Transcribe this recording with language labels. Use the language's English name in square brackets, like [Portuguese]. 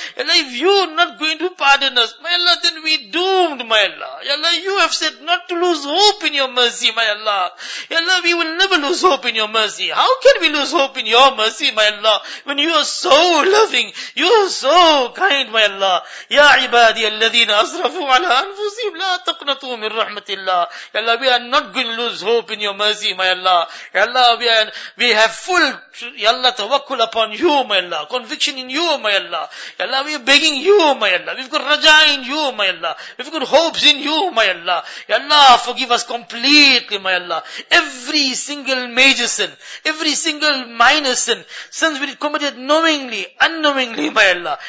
[English] Ya Allah, if you are not going to pardon us, my Allah, then we are doomed, my Allah. Ya Allah, you have said not to lose hope in your mercy, my Allah. Ya Allah, we will never lose hope in your mercy. How can we lose hope in your mercy, my Allah, when you are so loving, you are so kind, my Allah. [Arabic] Ya ibadi alladhina أصرفوا على أنفسهم لا تقنطوا من رحمة الله. [English] Ya Allah, we are not going to lose hope in your mercy, my Allah. Ya Allah, we have full, Ya Allah, tawakkul upon you, my Allah. Conviction in you, my Allah. Ya Allah, we are begging you, my Allah. We've got raja in you, my Allah. We've got hopes in you, my Allah. Ya Allah, forgive us completely, my Allah. Every single major sin, every single minor sin, sins we committed knowingly, unknowingly, my Allah.